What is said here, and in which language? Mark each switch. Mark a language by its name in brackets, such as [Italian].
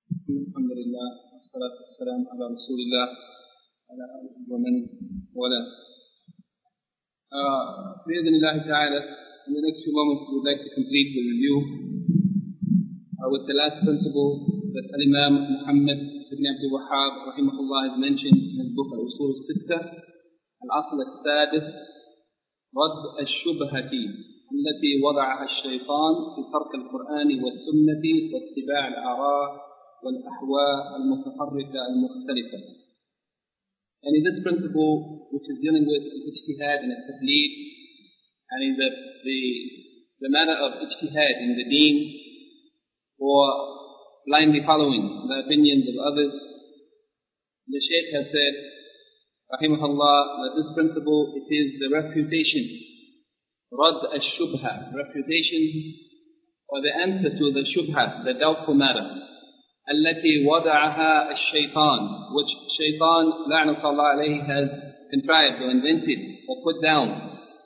[Arabic] الحمد لله والصلاة والسلام على رسول الله وعلى آله ومن والاه. بإذن الله تعالى, [English] in the next few moments we would like to complete the review with the last principle that Al-Imam Muhammad ibn Abd al-Wahhab [Arabic] رحمه الله [English] has mentioned in his book Al-Usul al-Sittة. [Arabic] الأصل السادس رد الشبهة التي وضعها الشيطان في ترك القرآن والسنة واتباع الآراء والأحواء المتفرقة المختلفة. [English] And in this principle, which is dealing with ijtihad and التقليد, and in the matter of ijtihad in the deen, or blindly following the opinions of others, the Shaykh has said, rahimahullah, that this principle, it is the refutation, [Arabic] رد الشبهة, [English] refutation, or the answer to the shubha, the doubtful matter, [Arabic] التي وضعها الشيطان, [English] which [Arabic] شيطان لعنة الله عليه [English] has contrived or invented or put down,